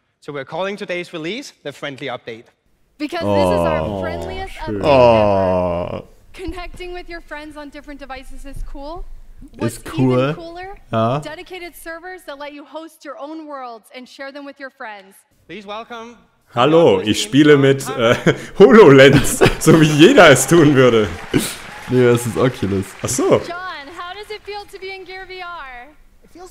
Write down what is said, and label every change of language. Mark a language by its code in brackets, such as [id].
[en] So we're calling today's release the friendly update. Because this is our friendliest update ever. Connecting with your friends on different devices is cool. What's cool. Even cooler, dedicated servers that let you host your own worlds and share them with your friends. Please welcome. [de] Hallo, ich spiele mit HoloLens, so wie jeder es tun würde. Nee, es ist Oculus. Ach so. [en] John, how does it feel to be in Gear VR?